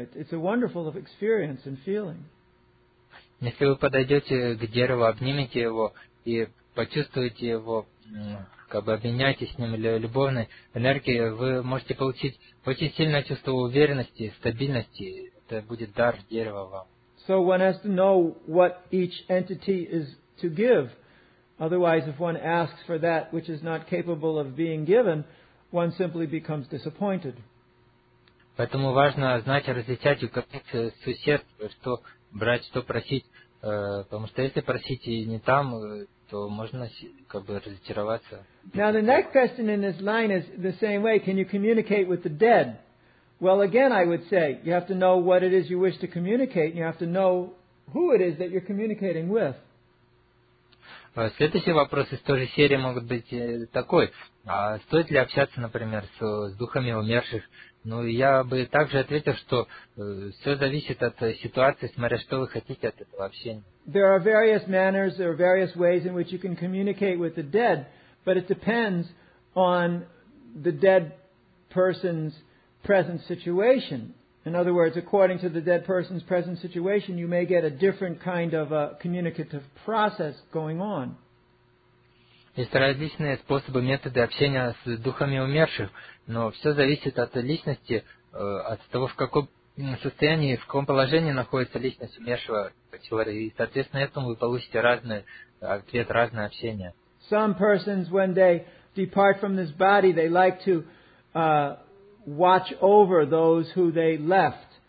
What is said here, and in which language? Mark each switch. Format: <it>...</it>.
<en>It's a wonderful experience and feeling.</en> <ru>Если вы подойдете к дереву, обнимете его и почувствуете его, как бы обменяетесь с ним любовной энергией, вы можете получить очень сильное чувство уверенности, стабильности. Это будет дар дерева вам.</ru> <en>So one has to know what each entity is to give. Otherwise, if one asks for that which is not capable of being given, one simply becomes disappointed.</en> <ru>Поэтому важно знать, различать, у каких существ, что брать, что просить. Потому что если просить и не там, то можно как бы разочароваться.</ru> <en>Now the next question in this line is the same way. Can you communicate with the dead? Well, again, I would say, you have to know what it is you wish to communicate, and you have to know who it is that you're communicating with.</en> <ru>Следующий вопрос из той же серии могут быть такой. А стоит ли общаться, например, с духами умерших? Ну, я бы также ответил, что все зависит от ситуации, смотря что вы хотите от этого общения.</ru> <en>There are various manners, there are various ways in which you can communicate with the dead, but it depends on the dead person's present situation. In other words, according to the dead person's present situation, you may get a different kind of a communicative process going on.</en> <ru>Есть различные способы, методы общения с духами умерших, но все зависит от личности, от того, в каком состоянии, в каком положении находится личность умершего человека, и, соответственно, этому вы получите разный ответ, разное общение.</ru> <en>Some persons, when they depart from this body, they like to watch over those who they left.</en>